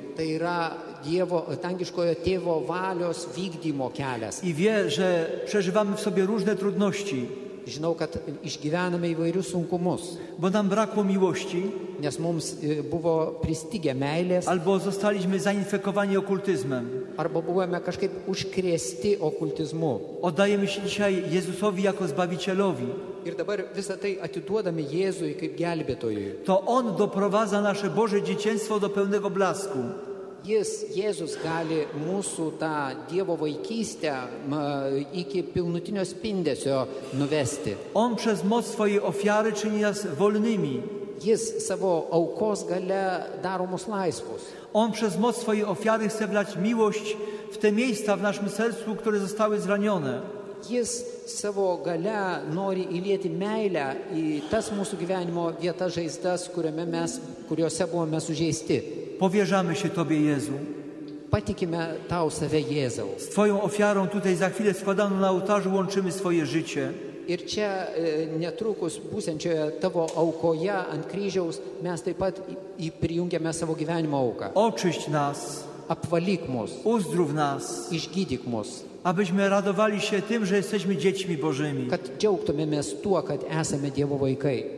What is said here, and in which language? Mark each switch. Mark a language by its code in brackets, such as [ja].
[lt] Tai yra Dievo, dangiškojo Tėvo valios vykdymo kelias. [pl] I wie, że przeżywamy w sobie różne trudności. [lt] Žinau, kad išgyvename įvairius sunkumus. [pl] Bo nam brakło miłości. [lt] Nes mums buvo pristigę meilės. [pl] Albo zostaliśmy zainfekowani okultyzmem. [lt] Arba buvome kažkaip užkrėsti okultizmu. [pl] Oddajemy się dzisiaj Jezusowi jako Zbawicielowi. [lt] Ir dabar visą tai atiduodami Jėzui kaip gelbėtojui. [pl] To On doprowadza nasze Boże dziecięstwo do pełnego blasku. [lt] Jis, Jėzus, gali mūsų tą Dievo vaikystę iki pilnutinio spindesio nuvesti. [pl] On przez moc swojej ofiary czyni nas wolnymi. [lt] Jis savo aukos gale daro mus laisvus. [pl] On przez moc swojej ofiary chce wlać miłość w te miejsca w naszym sercu, które zostały zranione. [lt] Jis savo gale nori įlieti meilę į tas mūsų gyvenimo vietas žaizdas, kuriuose buvome sužeisti. [pl] Powierzamy się Tobie, Jezu. [lt] Patikime Tau sobie, Jezu. [pl] Z Twoją ofiarą tutaj za chwilę składaną na ołtarzu łączymy swoje życie. [lt] Ir čia netrukus būsenčioje Tavo aukoje ant kryžiaus mes taip pat įprijungiame savo gyvenimo auką. [pl] Oczyść nas. [lt] Apvalik mus. [pl] Uzdrów nas. [lt] Išgydyk mus. [pl] Abyśmy radowali się tym, że jesteśmy dziećmi Bożymi. [lt] Kad džiaugtumėmės tuo, kad esame Dievo vaikai.